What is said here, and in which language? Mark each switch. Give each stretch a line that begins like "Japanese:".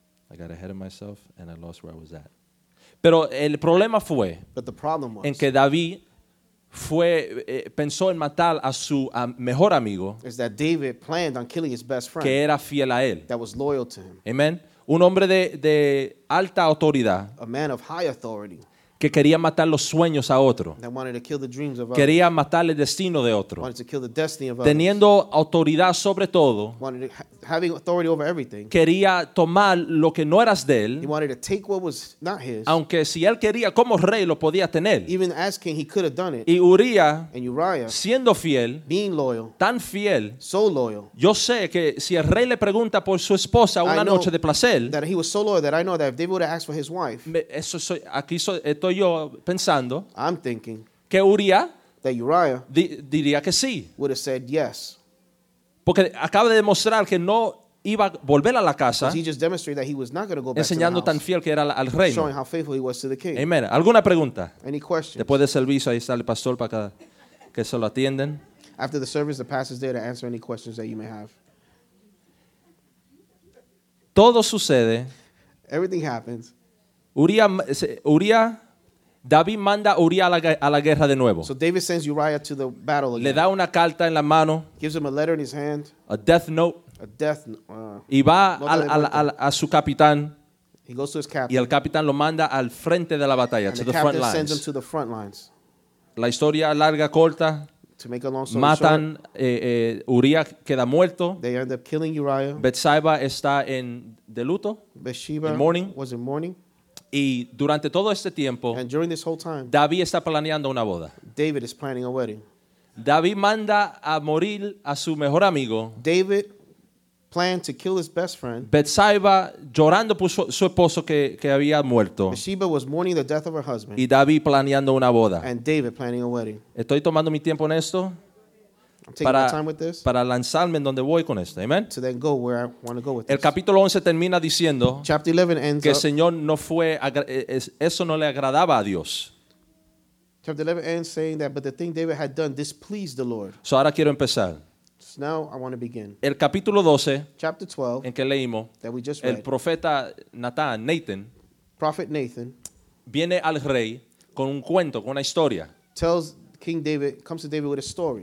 English: I got ahead of myself and I lost where I was at.
Spanish: Pero el problema fue en que David fue pensó en matar a su mejor amigo,
English: is that David planned on killing his best friend,
Spanish: que era fiel a él.
English: That was loyal to him.
Spanish: Amen. Un hombre de alta autoridad,
English: a man of high authority,
Spanish: que quería matar los sueños a otro,
English: that wanted to kill the dreams of others,
Spanish: quería matar el destino de otro,
English: wanted to kill the destiny of others,
Spanish: teniendo autoridad sobre todo,
English: wanted to, having authority over everything,
Spanish: quería tomar lo que no era de él,
English: he wanted to take what was not his,
Spanish: aunque si él quería como rey lo podía tener,
English: even as king he could have done it,
Spanish: y Uriah,
English: and Uriah
Spanish: siendo fiel,
English: being loyal,
Spanish: tan fiel,
English: so loyal,
Spanish: yo sé que si el rey le pregunta por su esposa una noche de placer,
English: that he was so loyal that I know that if David would have asked for his wife,
Spanish: yo pensando,
English: I'm thinking
Spanish: que Uriah,
English: that Uriah
Spanish: diría que sí,
English: would have said yes,
Spanish: porque acaba de demostrar que no iba a volver a la casa,
English: he just demonstrated that he was not going to go back,
Spanish: enseñando
English: to the house,
Spanish: tan fiel que era al reino,
English: showing how faithful he was to the king.
Spanish: Amen. ¿Alguna pregunta?
English: Any questions?
Spanish: Después del servicio ahí está el pastor para que se lo atienden.
English: After the service, the pastor is there to answer any questions that you may have.
Spanish: Todo sucede.
English: Everything happens.
Spanish: Uriah David manda a Uriah a la guerra de nuevo.
English: So David sends Uriah to the battle again.
Spanish: Le da una carta en la mano.
English: Gives him a letter in his hand. A death note. A death
Spanish: Y va a su capitán.
English: He goes to his captain.
Spanish: Y el capitán lo manda al frente de la batalla.
English: And to the front lines. Sends him to the front lines.
Spanish: La historia larga, corta.
English: To make a long story
Spanish: matan,
English: short.
Spanish: Uriah queda muerto.
English: They end up killing Uriah.
Spanish: Bathsheba está en de luto.
English: Bathsheba was in mourning.
Spanish: Y durante todo este tiempo,
English: and during this whole time,
Spanish: David está planeando una boda.
English: David is planning a wedding.
Spanish: David manda a morir a su mejor amigo.
English: David planned to kill his best friend.
Spanish: Bathsheba llorando por su esposo que había muerto.
English: Bathsheba was mourning the death of her husband.
Spanish: Y David planeando una boda.
English: And David planning a wedding.
Spanish: Estoy tomando mi tiempo en esto.
English: I'm taking my time with this.
Spanish: Para lanzarme en donde voy con esto. Amen.
English: To then go where I want to go with this.
Spanish: El capítulo 11 termina diciendo.
English: Chapter 11 ends
Spanish: que el Señor no fue, eso no le agradaba a Dios.
English: Chapter 11 ends saying that, but the thing David had done displeased the Lord.
Spanish: So ahora quiero empezar.
English: So now I want to begin.
Spanish: El capítulo 12.
English: Chapter 12.
Spanish: En que leímos.
English: That we just
Spanish: el
English: read.
Spanish: El profeta Nathan.
English: Prophet Nathan.
Spanish: Viene al rey con un cuento, con una historia.
English: Tells King David comes to David with a story.